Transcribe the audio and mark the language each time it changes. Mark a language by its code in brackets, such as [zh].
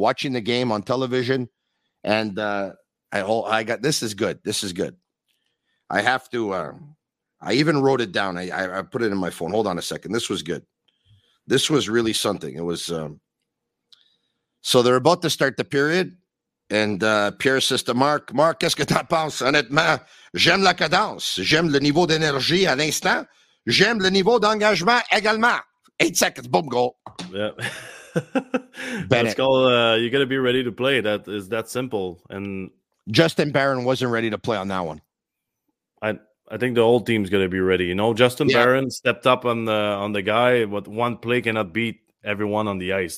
[en] Watching the game on television, and This is good. I have to. I even wrote it down. I put it in my phone. Hold on a second. This was good. This was really something. It was. So they're about to start the period. And Pierre says to Mark, [fr] qu'est-ce que t'en penses? Honnêtement, j'aime la cadence. J'aime le niveau d'énergie à l'instant. J'aime le niveau d'engagement également. [en] 8 seconds, boom, goal. Yeah. That's called, you got to be ready to play. That is that simple. And Justin Barron wasn't ready to play on that one. I think the whole team's going to be ready. You know, Justin Barron stepped up on the guy, but one play cannot beat everyone on the ice.